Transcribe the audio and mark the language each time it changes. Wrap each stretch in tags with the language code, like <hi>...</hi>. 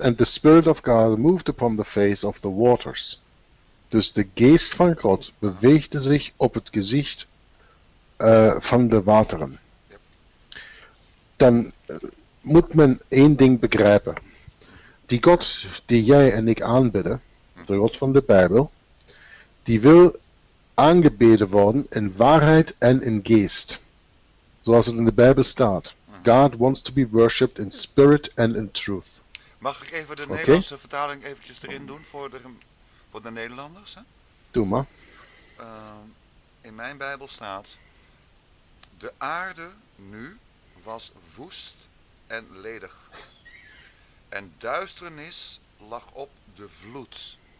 <en>And the Spirit of God moved upon the face of the waters...</en> <nl>Dus de geest van God beweegde zich op het gezicht van de wateren. Dan moet men één ding begrijpen. Die God die jij en ik aanbidden, de God van de Bijbel, die wil aangebeden worden in waarheid en in geest. Zoals het in de Bijbel staat.</nl> <en>God wants to be worshipped in spirit and in truth.</en> <nl>Mag ik even de Nederlandse vertaling eventjes erin doen voor de... Voor de Nederlanders, hè? Doe maar. In mijn Bijbel staat... De aarde nu was woest en ledig. En duisternis lag op de vloed.</nl>